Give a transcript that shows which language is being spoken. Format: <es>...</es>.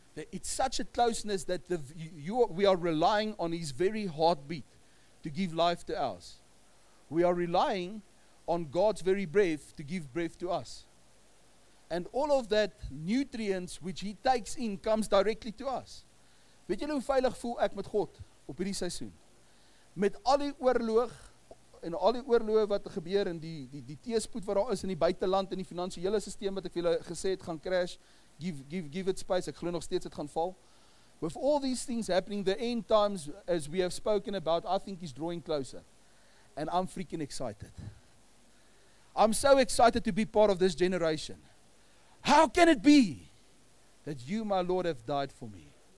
<en>It's such a closeness that we are relying on his very heartbeat to give life to us. We are relying on God's very breath to give breath to us. And all of that nutrients which he takes in comes directly to us.</en> <af>Weet julle hoe veilig voel ek met God op hierdie seisoen? Met al die oorlog en al die oorloë wat gebeur en die teespoed wat daar is in die buiteland en die finansiële stelsel wat ek vir julle gesê het gaan crash.</af> <en>Give it space.</en> <af>Ek glo nog steeds dit gaan val.</af> <en>With all these things happening, the end times as we have spoken about, I think is drawing closer. And I'm freaking excited. I'm so excited to be part of this generation. How can it be that you, my Lord, have died for me?</en>